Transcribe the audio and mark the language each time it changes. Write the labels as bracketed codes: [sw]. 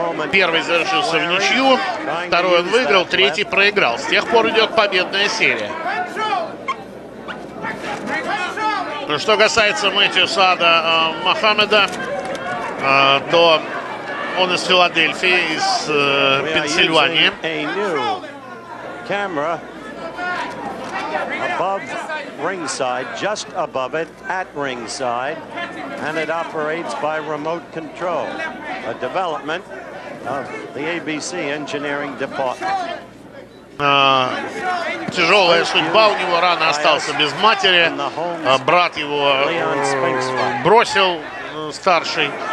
[ru] Первый завершился в ничью, второй он выиграл, третий проиграл. С тех пор идет победная серия. Но что касается Мэтью Саада Мохаммеда, то... он из Филадельфии, из Пенсильвании. [en] Камера above ringside, just above it, at ringside, and it operates by remote control. A development of the ABC engineering department. [ru] Тяжелая судьба у него, рано остался без матери, брат его бросил старший.